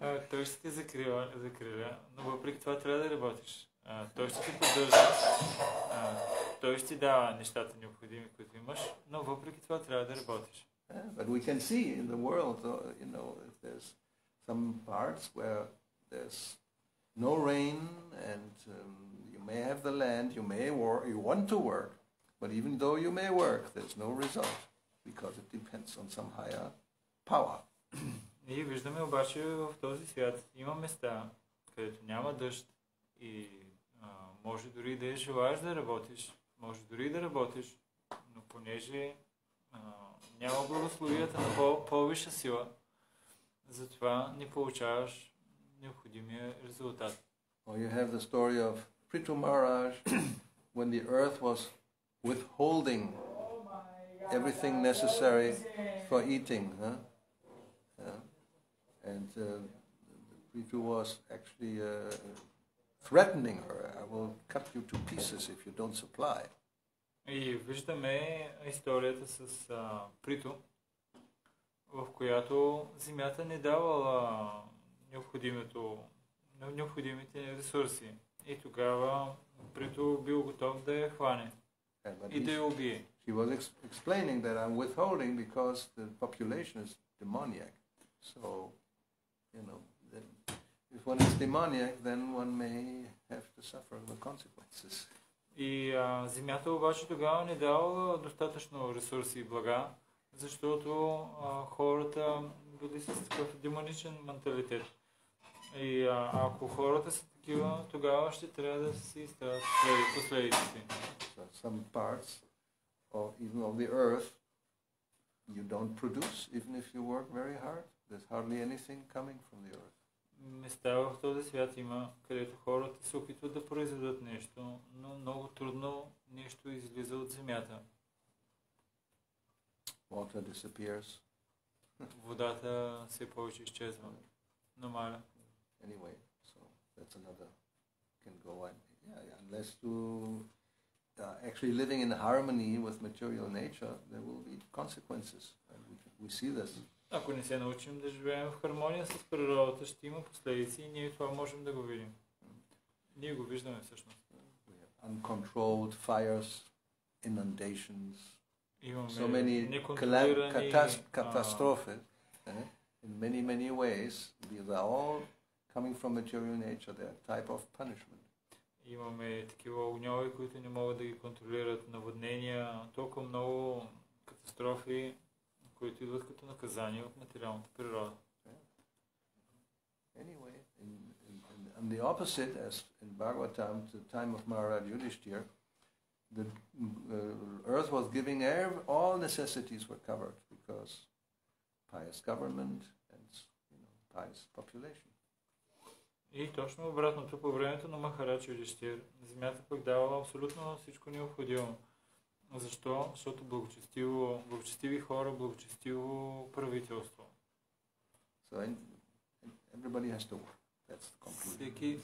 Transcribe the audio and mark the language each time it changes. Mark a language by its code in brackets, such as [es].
[bg] Той ще ти закриля, но въпреки това трябва да работиш. Той ще ти поддържа. Той ще ти дава нещата необходими, които имаш, но въпреки това трябва да работиш. [en] Yeah, but we can see in the world, you know, if there's some parts where there's no rain and you may have the land, you may work, you want to work, but even though you may work, there's no result because it depends on some higher power. [bg] И виждаме обаче в този свят има места, където няма дъжд и може дори да желаеш да работиш, може дори да работиш, но понеже няма благословията на по-висша сила, затова не получаваш необходимия резултат. [en] Well, you have the story of Prithu Maharaj when the earth was withholding everything necessary for eating, huh? And Prithu was actually threatening her. I will cut you to pieces if you don't supply. [bg] И виждаме историята с Прито, в която земята не давала необходимите ресурси. И тогава Прито бил готов да я хване и да я убие. [en] She was explaining that I'm withholding because the population is demoniac. So, you know, if one is demoniac, then one may have to suffer the consequences. [bg] И земята обаче тогава не давала достатъчно ресурси и блага, защото хората били с такъв демоничен менталитет. И ако хората са такива, тогава ще трябва да се изтрадат последиците. [en] So some parts of even of the earth you don't produce even if you work very hard. There's hardly anything coming from the earth. [bg] Места в този свят има, където хората се опитват да произведат нещо, но много трудно нещо излиза от земята. [en] Water disappears. [bg] Водата все повече изчезва. Намаля. [en] Anyway, so that's another can go on. Yeah, unless you actually living in harmony with material nature, there will be consequences. We see this. [bg] Ако не се научим да живеем в хармония с природата, ще има последици и ние това можем да го видим. Ние го виждаме всъщност. [en] Uncontrolled fires, inundations, [bg] имаме [en] so many catastrophes in many, many ways. These are all coming from material nature. They are type of punishment. [bg] Имаме такива огньове, които не могат да ги контролират, наводнения, толкова много катастрофи, които идват като наказание от материалната природа. [en] Anyway, in the opposite, as in Bhagavatam, the time of Maharaj Yudhishthir, the earth was giving all necessities were covered because pious government and, you know, pious population. [bg] И точно обратното, по времето на Махарадж Юдиштир, земята пък давала абсолютно всичко необходимо. Защо? Защото благочестиви хора, благочестиво правителство. [en] So everybody has to work. That's the conclusion.